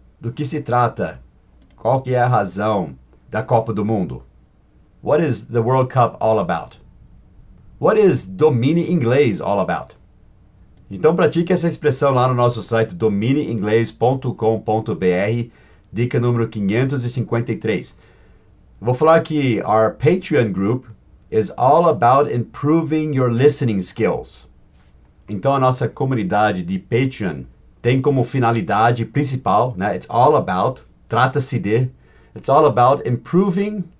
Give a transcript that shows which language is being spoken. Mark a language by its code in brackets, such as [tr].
[pt] Do que se trata? Qual que é a razão da Copa do Mundo? [en] What is the World Cup all about? What is DominioInglês all about? [pt] Então pratique essa expressão lá no nosso site dominioinglês.com.br, dica número 553. Vou falar que [en] our Patreon group is all about improving your listening skills. [pt] Então a nossa comunidade de Patreon tem como finalidade principal, né? [en] It's all about, [pt] trata-se de, [en] it's all about improving.